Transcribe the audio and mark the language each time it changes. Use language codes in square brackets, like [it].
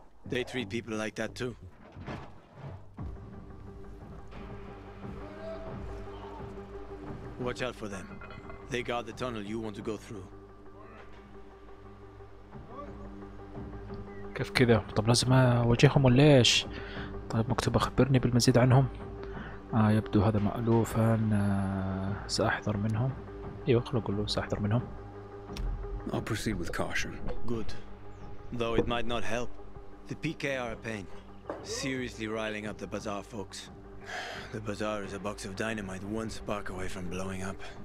[en] They treat people like that too. Watch out for them. They guard the tunnel you want to go through. [ar] كيف كذا؟ طب لازم أواجههم ولا إيش؟ طيب مكتوب أخبرني بالمزيد عنهم. يبدو هذا مألوفا. سأحذر منهم. أيوه خلو أقول له سأحذر منهم. [en] I'll proceed with caution. Good. Though it might not help. The PK are a pain. Seriously riling up the bazaar folks. The bazaar is a box of dynamite, one spark away from blowing up.